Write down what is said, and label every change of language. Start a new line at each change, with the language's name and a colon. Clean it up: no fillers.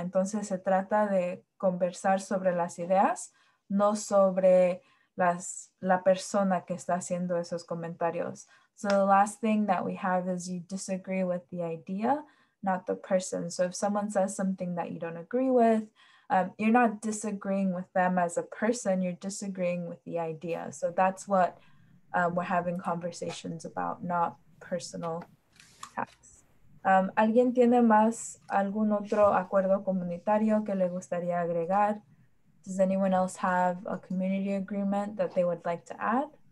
Spanish: Entonces se trata de conversar sobre las ideas, no sobre la persona que está haciendo esos comentarios.
English: So the last thing that we have is you disagree with the idea, not the person. So if someone says something that you don't agree with, you're not disagreeing with them as a person, you're disagreeing with the idea. So that's what we're having conversations about, not personal attacks.
Spanish: ¿Alguien tiene más algún otro acuerdo comunitario que le gustaría agregar?
English: Does anyone else have a community agreement that they would like to add?